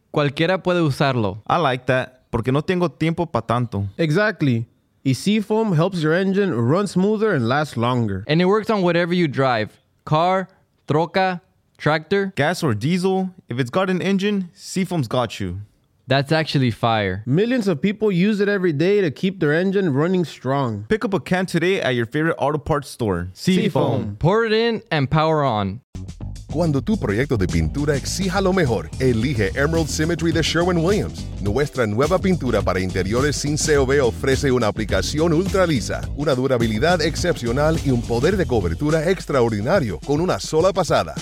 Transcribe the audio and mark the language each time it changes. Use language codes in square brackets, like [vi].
[es] Cualquiera puede usarlo. [en] I like that. [es] Porque no tengo tiempo pa tanto. [en] Exactly. Y Seafoam helps your engine run smoother and last longer. And it works on whatever you drive. Car, troca, tractor. Gas or diesel. If it's got an engine, Seafoam's got you. That's actually fire. Millions of people use it every day to keep their engine running strong. Pick up a can today at your favorite auto parts store. Seafoam. Pour it in and power on. [es] Cuando tu proyecto de pintura exija lo mejor, elige Emerald Symmetry de Sherwin-Williams. Nuestra nueva pintura para interiores sin COV ofrece una aplicación ultra lisa, una durabilidad excepcional y un poder de cobertura extraordinario con una sola pasada.